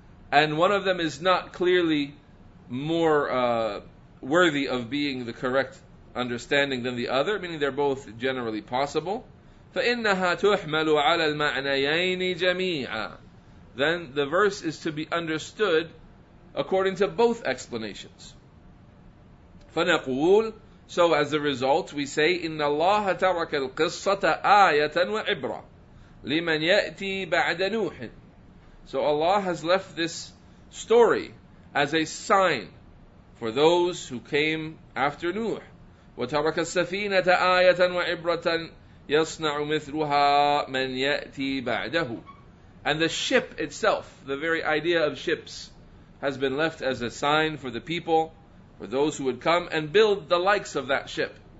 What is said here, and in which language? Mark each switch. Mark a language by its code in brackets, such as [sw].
[en] And one of them is not clearly more worthy of being the correct understanding than the other, meaning they're both generally possible. [ar] فَإِنَّهَا تُحْمَلُ عَلَى الْمَعْنَيَيْنِ جَمِيعًا. [en] Then the verse is to be understood according to both explanations. [ar] فَنَقُولُ. [en] So as a result, we say, [ar] إِنَّ اللَّهَ تَرَكَ الْقِصَّةَ آيَةً وَعِبْرًا لِمَنْ يَأْتِي بَعْدَ نُوحٍ. [en] So Allah has left this story as a sign for those who came after Nuh. [ar] وَتَرَكَ السَّفِينَةَ آيَةً وَعِبْرَةً يَصْنَعُ مِثْلُهَا مَنْ يَأْتِي بَعْدَهُ. [en] And the ship itself, the very idea of ships, has been left as a sign for the people, for those who would come and build the likes of that ship.